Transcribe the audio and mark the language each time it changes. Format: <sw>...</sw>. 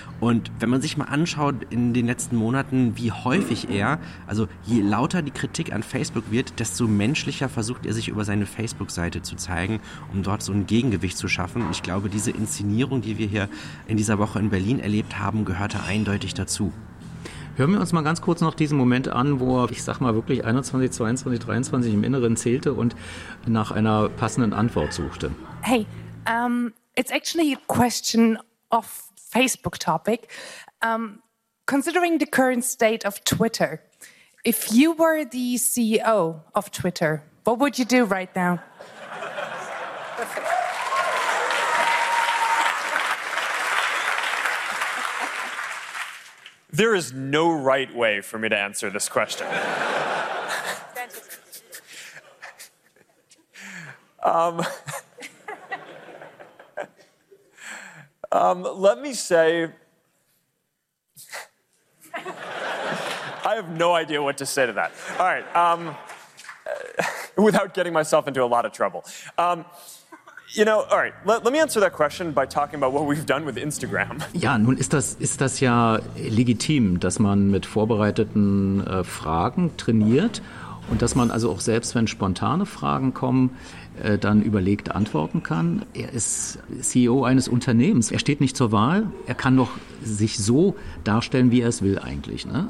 <de>Und wenn man sich mal anschaut in den letzten Monaten, wie häufig er, also je lauter die Kritik an Facebook wird, desto menschlicher versucht er sich über seine Facebook-Seite zu zeigen, um dort so ein Gegengewicht zu schaffen. Und ich glaube, diese Inszenierung, die wir hier in dieser Woche in Berlin erlebt haben, gehörte eindeutig dazu. Hören wir uns mal ganz kurz noch diesen Moment an, wo er, ich sag mal, wirklich 21, 22, 23 im Inneren zählte und nach einer passenden Antwort suchte.</de> <en>Hey, it's actually a question of Facebook topic. Considering the current state of Twitter, if you were the CEO of Twitter, what would you do right now? There is no right way for me to answer this question. let me say, I have no idea what to say to that. All right, without getting myself into a lot of trouble. You know, all right, let me answer that question by talking about what we've done with Instagram.</en> <de>Ja, nun ist das ja legitim, dass man mit vorbereiteten Fragen trainiert und dass man also auch selbst, wenn spontane Fragen kommen, dann überlegt antworten kann. Er ist CEO eines Unternehmens. Er steht nicht zur Wahl. Er kann doch sich so darstellen, wie er es will eigentlich. Ne?</de>